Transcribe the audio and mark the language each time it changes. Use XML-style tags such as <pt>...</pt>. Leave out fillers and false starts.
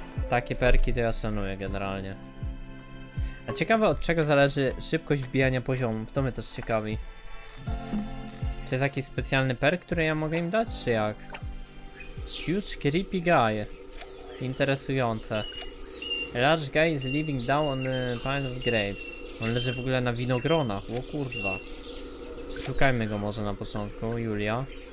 <pl>Takie perki to ja szanuję generalnie. A ciekawe od czego zależy szybkość wbijania poziomów, to mnie też ciekawi. Czy jest jakiś specjalny perk, który ja mogę im dać, czy jak?</pl> <en>Huge creepy guy.</en> <pl>Interesujące.</pl> <en>A large guy is living down on a pile of grapes.</en> <pl>On leży w ogóle na winogronach, o kurwa. Szukajmy go może na początku, Julia.</pl>